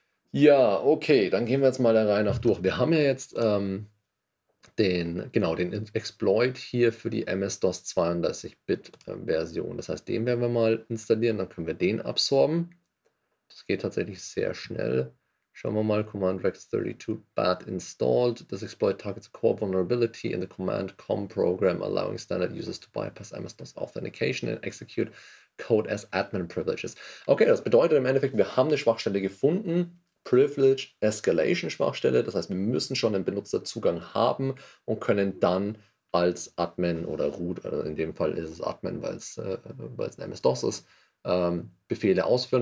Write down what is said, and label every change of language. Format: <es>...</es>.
<de>Ja, okay, dann gehen wir jetzt mal der Reihe nach durch. Wir haben ja jetzt den Exploit hier für die MS-DOS 32-Bit-Version. Das heißt, den werden wir mal installieren, dann können wir den absorben. Das geht tatsächlich sehr schnell. Schauen wir mal, Command Rex 32 bat installed.</de> <en>This exploit targets a core vulnerability in the Command COM program, allowing standard users to bypass MS-DOS authentication and execute code as admin privileges.</en> <de>Okay, das bedeutet im Endeffekt, wir haben eine Schwachstelle gefunden. Privilege Escalation Schwachstelle, das heißt, wir müssen schon einen Benutzerzugang haben und können dann als Admin oder Root, also in dem Fall ist es Admin, weil es ein MS-DOS ist, Befehle ausführen.</de>